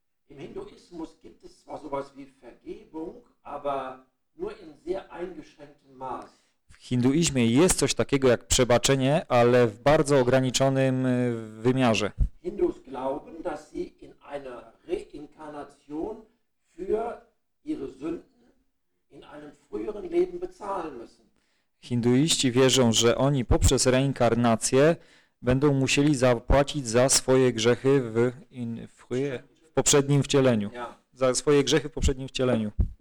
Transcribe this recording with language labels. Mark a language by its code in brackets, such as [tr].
[pl] W hinduizmie jest [de] zwar sowas wie vergebung, aber nur in sehr eingeschränktem Maß. [pl] W hinduizmie jest coś takiego jak przebaczenie, ale w bardzo ograniczonym wymiarze. [de] Hindus glauben, dass sie in einer Reinkarnation für ihre Sünden in einem früheren Leben bezahlen müssen. [pl] Hinduiści wierzą, że oni poprzez reinkarnację będą musieli zapłacić za swoje grzechy w poprzednim wcieleniu. [de] Ja. [pl] Za swoje grzechy w poprzednim wcieleniu.